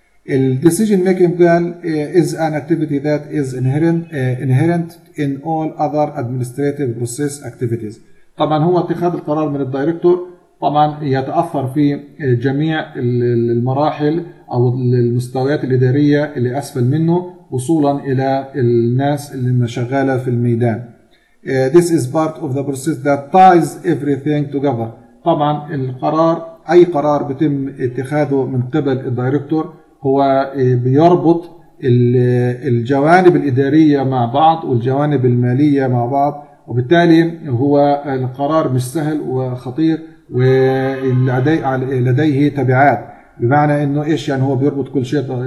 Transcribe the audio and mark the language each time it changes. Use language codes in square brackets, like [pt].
[en] الـ decision making plan is an activity that is inherent in all other administrative process activities. [ar] طبعا هو اتخاذ القرار من الدايركتور طبعا يتأثر في جميع المراحل أو المستويات الإدارية اللي أسفل منه وصولا إلى الناس اللي شغالة في الميدان. [en] This is part of the process that ties everything together. [ar] طبعا القرار، أي قرار بتم اتخاذه من قبل الدايركتور هو بيربط الجوانب الإدارية مع بعض والجوانب المالية مع بعض، وبالتالي هو القرار مش سهل وخطير ولديه تبعات، بمعنى انه ايش يعني هو بيربط كل شيء